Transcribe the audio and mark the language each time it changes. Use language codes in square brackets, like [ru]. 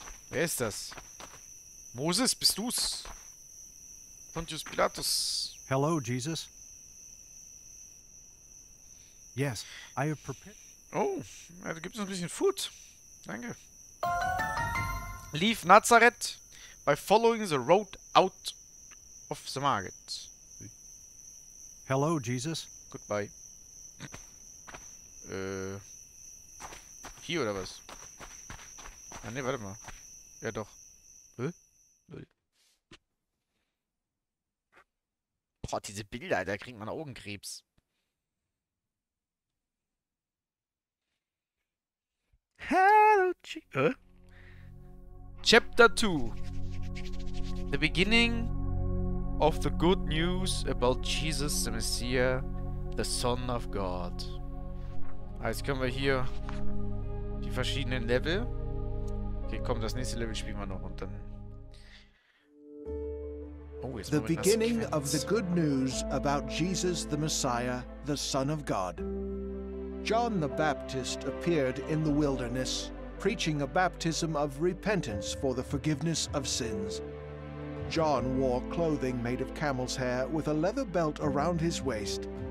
[de] Wer ist das? Moses, bist du's? Pontius Pilatus. [en] Hello, Jesus. Yes, I have prepared... [de] Oh, ja, da gibt es ein bisschen Food. Danke. [en] Leave Nazareth by following the road out of the market. Hello, Jesus. Goodbye. [de] Hier oder was? Ah, ne, warte mal. Ja, doch. Hä? Boah, diese Bilder, da kriegt man Augenkrebs. [en] Hello, Chapter 2. The beginning of the good news about Jesus the Messiah, the Son of God. [de] Jetzt können wir hier die verschiedenen Level. Okay, komm, das nächste Level spielen wir noch und dann. Oh, jetzt [en] the beginning of the good news about Jesus the Messiah, the Son of God. John the Baptist appeared in the wilderness, preaching a baptism of repentance for the forgiveness of sins. John wore clothing made of camel's hair with a leather belt around his waist,